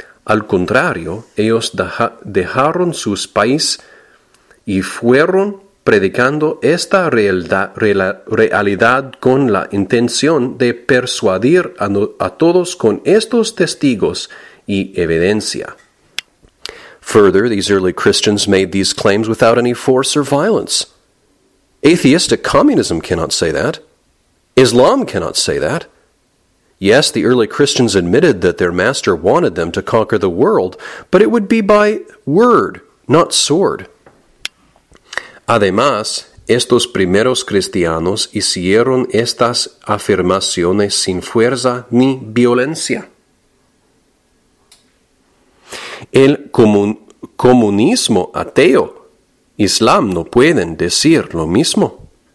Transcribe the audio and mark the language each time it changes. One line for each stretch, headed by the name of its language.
Spanish: Al contrario, ellos dejaron sus países y fueron predicando esta realidad con la intención de persuadir a todos con estos testigos y evidencia.
English: Further, these early Christians made these claims without any force or violence. Atheistic communism cannot say that. Islam cannot say that. Yes, the early Christians admitted that their master wanted them to conquer the world, but it would be by word, not sword.
Spanish: Además, estos primeros cristianos hicieron estas afirmaciones sin fuerza ni violencia. El comunismo ateo, Islam no pueden decir lo mismo.